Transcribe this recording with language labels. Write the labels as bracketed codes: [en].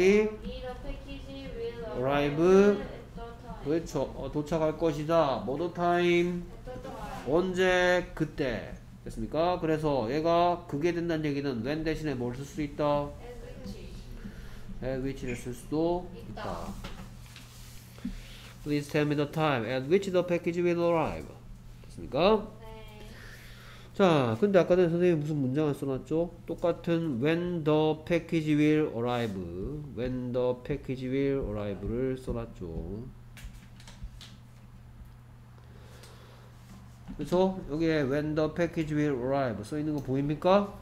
[en] the package will arrive at the time. [ko] 그렇죠. 도착할 것이다. [en] What time? [ko] 언제? 그때. 됐습니까? 그래서 얘가 그게 된다는 얘기는 when 대신에 뭘 쓸 수 있다? [en] At which [ko] 를 쓸 수도 있다. [en] Please tell me the time at which the package will arrive. [ko] 됐습니까? 네. 자, 근데 아까 전에 선생님이 무슨 문장을 써놨죠? 똑같은 [en] when the package will arrive. When the package will arrive를 써놨죠. [ko] 그래서 여기에 [en] when the package will arrive [ko] 써있는 거 보입니까?